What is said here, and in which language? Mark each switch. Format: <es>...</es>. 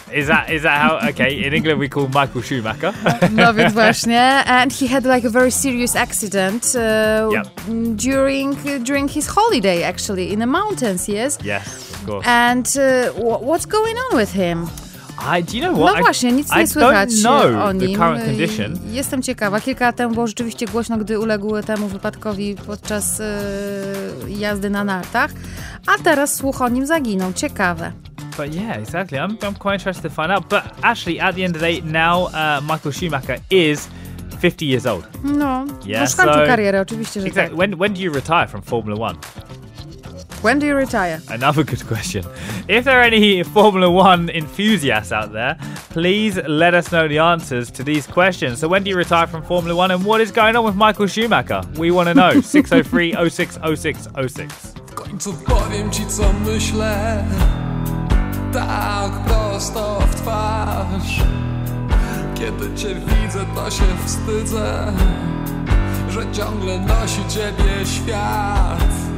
<en>Is that how? Okay, in England we call Michael Schumacher.</en> <pl>No, więc właśnie,</pl> <en>and he had like a very serious accident during his holiday, actually, in the mountains. Yes. Yes, of course. And what's going on with him? Do you know what?</en> <pl>No właśnie, nic nie</pl> <en>I</en> <pl>słychać</pl> <en>don't know</en> <pl>o nim.</pl> <en>The current condition.</en> <pl>Jestem ciekawa. Kilka lat temu było rzeczywiście głośno, gdy uległ temu wypadkowi podczas jazdy na nartach, a teraz słuch o nim zaginął. Ciekawe.</pl> <en>But yeah, exactly. I'm quite interested to find out. But actually, at the end of the day, now Michael Schumacher is 50 years old.</en> <pl>No, już kończył karierę, oczywiście, że</pl> <en>exactly.</en> <pl>Tak.</pl> <en>When do you retire from Formula One? When do you retire? Another good question. If there are any Formula One enthusiasts out there, please let us know the answers to these questions. So when do you retire from Formula One and what is going on with Michael Schumacher? We want to know. 603-060606.</en> <pl>W końcu powiem ci, co myślę. Tak prosto w twarz. Kiedy cię widzę, to się wstydzę, że ciągle nosi ciebie świat.</pl>